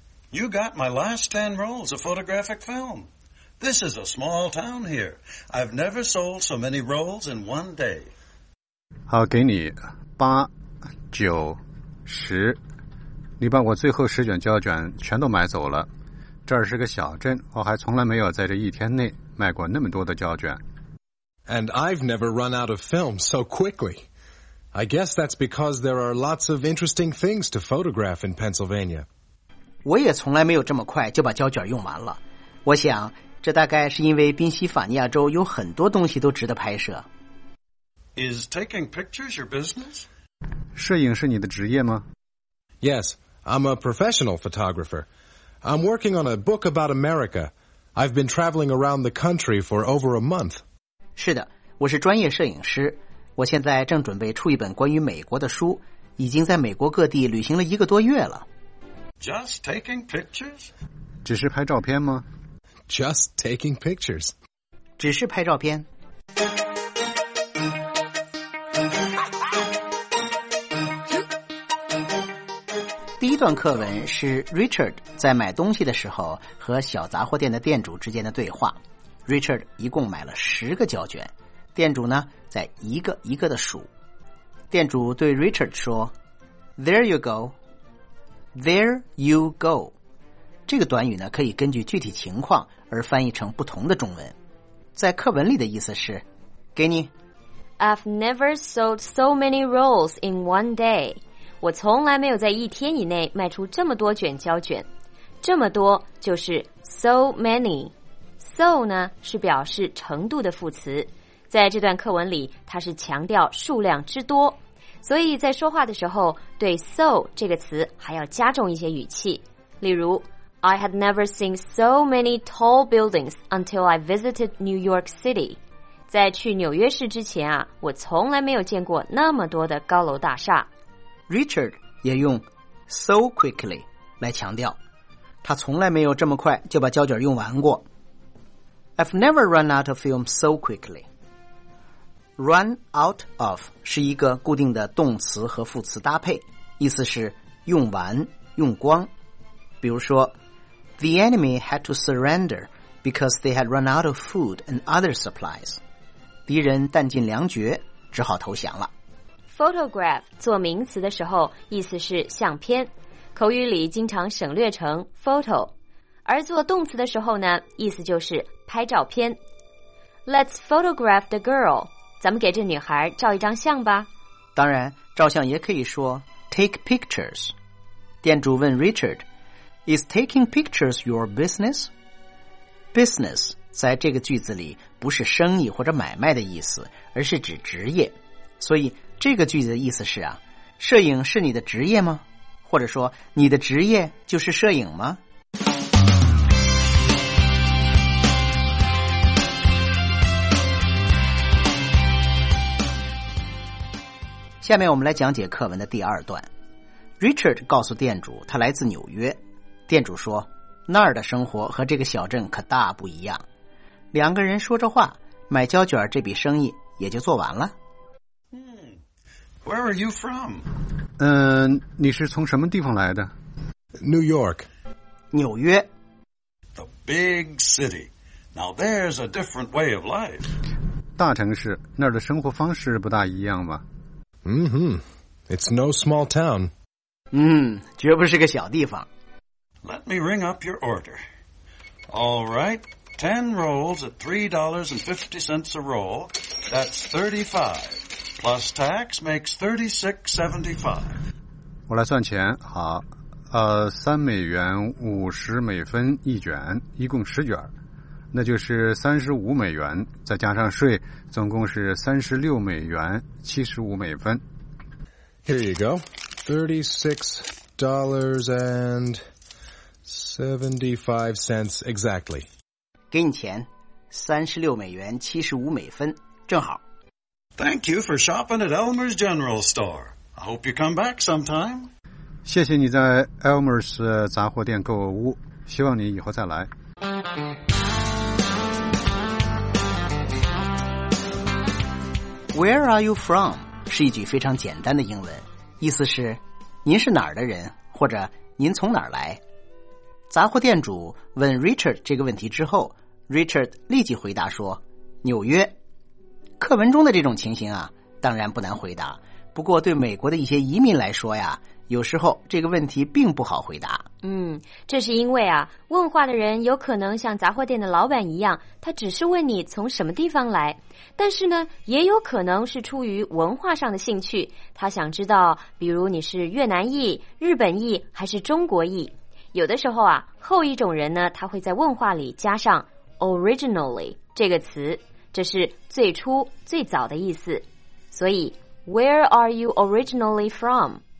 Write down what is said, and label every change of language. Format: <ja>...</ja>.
<en>You got my last 10 rolls of photographic film. This is a small town here. I've never sold so many rolls in one day.</en> <zh>好，给你八、九、十。你把我最后十卷胶卷全都买走了。这儿是个小镇，我还从来没有在这一天内卖过那么多的胶卷。</zh> <en>And I've never run out of film so quickly. I guess that's because there are lots of interesting things to photograph in Pennsylvania.</en> <zh>我也从来没有这么快就把胶卷用完了。我想这大概是因为宾夕法尼亚州有很多东西都值得拍摄。</zh> <en>Is taking pictures your business?</en> <zh>摄影是你的职业吗？</zh> <en>Yes, I'm a professional photographer. I'm working on a book about America. I've been traveling around the country for over a month.</en> <zh>是的，我是专业摄影师。我现在正准备出一本关于美国的书，已经在美国各地旅行了一个多月了。</zh> <en>Just taking pictures?</en> <zh>只是拍照片吗？</zh> <en>Just taking pictures.</en> <zh>只是拍照片。第一段课文是 Richard 在买东西的时候和小杂货店的店主之间的对话。 Richard 一共买了十个胶卷，店主呢，在一个一个的数。店主对 Richard 说</zh> <en>There you go. There you go.</en> <zh>这个短语呢，可以根据具体情况而翻译成不同的中文。在课文里的意思是，给你。</zh> <en>I've never sold so many rolls in one day.</en> <zh>我从来没有在一天以内卖出这么多卷胶卷。这么多就是</zh> <en>so many. So</en> <zh>呢，是表示程度的副词。在这段课文里，它是强调数量之多。所以在说话的时候，对 so 这个词还要加重一些语气。例如</zh> <en>I had never seen so many tall buildings until I visited New York City.</en> <zh>在去纽约市之前啊，我从来没有见过那么多的高楼大厦。 Richard 也用</zh> <en>so quickly</en> <zh>来强调，他从来没有这么快就把胶卷用完过。</zh> <en>I've never run out of film so quickly. Run out of</en> <zh>是一个固定的动词和副词搭配，意思是用完、用光。比如说</zh> <en>The enemy had to surrender because they had run out of food and other supplies.</en> <zh>敌人弹尽粮绝，只好投降了。 Photograph 做名词的时候，意思是相片，口语里经常省略成 photo， 而做动词的时候呢，意思就是拍照片。</zh> <en>Let's photograph the girl.</en> <zh>咱们给这女孩照一张相吧。当然，照相也可以说</zh> <en>take pictures。</en> <zh>店主问 Richard。</zh> <en>Is taking pictures your business?</en> <zh>Business 在这个句子里不是生意或者买卖的意思，而是指职业。所以这个句子的意思是啊，摄影是你的职业吗？或者说你的职业就是摄影吗？下面我们来讲解课文的第二段。Richard 告诉店主他来自纽约，店主说那儿的生活和这个小镇可大不一样。两个人说着话，买胶卷这笔生意也就做完了。</zh> <en>Where are you from?</en> <zh>你是从什么地方来的？</zh> <en>New York.</en> <zh>纽约。</zh> <en>The big city. Now there's a different way of life.</en> <zh>大城市，那儿的生活方式不大一样吧？</zh> <en>Mm-hmm. It's no small town.</en> <zh>绝不是个小地方。</zh> <en>Let me ring up your order. All right, 10 rolls at $3.50 a roll, that's 35. Plus tax makes $36.75.</en> <zh>我来算钱，好，三美元五十美分一卷，一共十卷，那就是$35，再加上税，总共是$36.75。</zh> <en>Here you go, $36.75 exactly.</en> <zh>给你钱，$36.75，正好。</zh> <en>Thank you for shopping at Elmer's General Store. I hope you come back sometime.</en> <zh>谢谢你在 Elmer's 杂货店购物，希望你以后再来。</zh> <en>Where are you from?</en> <zh>是一句非常简单的英文，意思是您是哪儿的人，或者您从哪儿来。杂货店主问 Richard 这个问题之后， Richard 立即回答说纽约。课文中的这种情形啊，当然不难回答，不过对美国的一些移民来说呀，有时候这个问题并不好回答。这是因为啊，问话的人有可能像杂货店的老板一样，他只是问你从什么地方来，但是呢，也有可能是出于文化上的兴趣，他想知道比如你是越南裔、日本裔还是中国裔。有的时候啊，后一种人呢，他会在问话里加上 originally 这个词，这是最初最早的意思。所以</zh> <en>Where are you originally from?</en>